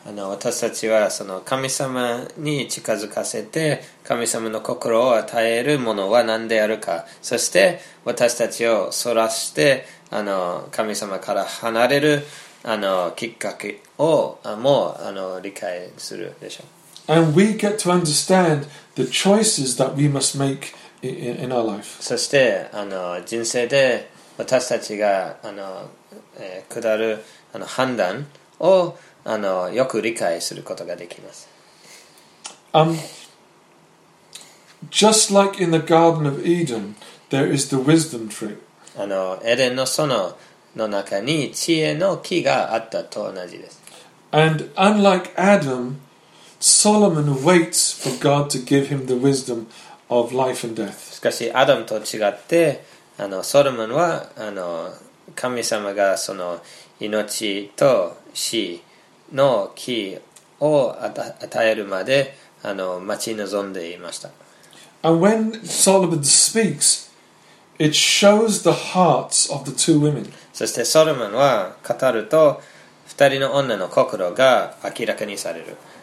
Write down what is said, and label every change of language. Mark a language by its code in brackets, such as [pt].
[ja] 私たちはその神様に近づかせて神様の心を与えるものは何であるか、そして私たちをそらして神様から離れるきっかけをもう理解するでしょう。 [en] And we get to understand the choices that we must make in our life. [ja] そして人生で私たちが下る判断をよく理解することができます。 [en] Just like in the Garden of Eden, there is the wisdom tree. [ja] あの、エデンの園の中に知恵の木があったと同じです。 [en] And unlike Adam, Solomon waits for God to give him the wisdom of life and death. [ja] しかし、アダムと違って、あの、ソロモンは、あの、神様がその命と死の木を与えるまで、あの、待ち望んでいました。 [en] And when Solomon speaks, it shows the hearts of the two women. [ja] そしてソロモンは語ると、二人の女の心が明らかにされる。